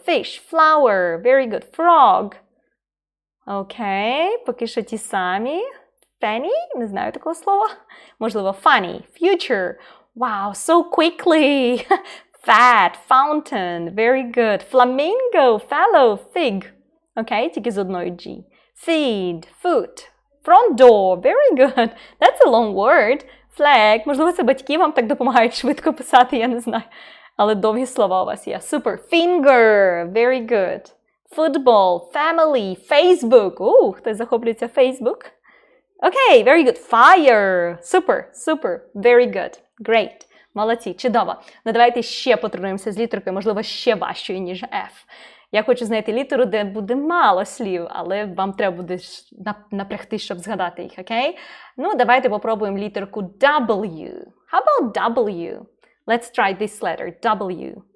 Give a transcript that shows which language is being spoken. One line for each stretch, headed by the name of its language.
English: Fish. Flower. Very good. Frog. Okay.
Ukrainian: Поки що ті самі. Penny. Не знаю такого слова. Можливо, funny.
English: Future. Wow, so quickly. Fat, fountain, very good. Flamingo, fellow, fig.
Ukrainian: Okay, тільки з одною G.
English: Feed, foot, front door, very good. That's a long word.
Ukrainian: Flag, можливо, це батьки вам так допомагають швидко писати, я не знаю. Але довгі слова у вас є. Супер.
English: Finger, very good. Football, family, Facebook.
Ukrainian: Ух, хтось захоплюється Facebook.
English: Okay, very good. Fire,
Ukrainian: супер, супер,
English: very good.
Ukrainian: Great. Молодці. Чудово. Ну, давайте ще потренуємося з літеркою, можливо, ще важчою, ніж F. Я хочу знайти літеру, де буде мало слів, але вам треба буде напрягти, щоб згадати їх, окей?
English: Okay?
Ukrainian: Ну, давайте попробуємо літерку W.
English: How about W? Let's try this letter. W. W.